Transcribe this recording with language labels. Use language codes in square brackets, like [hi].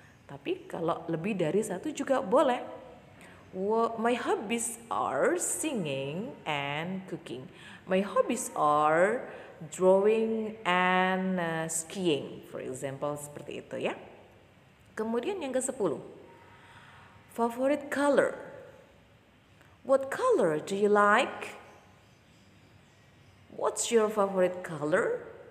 [id] Tapi kalau lebih dari satu juga boleh. [en] My hobbies are singing and cooking. My hobbies are drawing and skiing, for example, [id] seperti itu ya. Kemudian yang ke-10, favorite color. [en] What color do you like? What's your favorite color?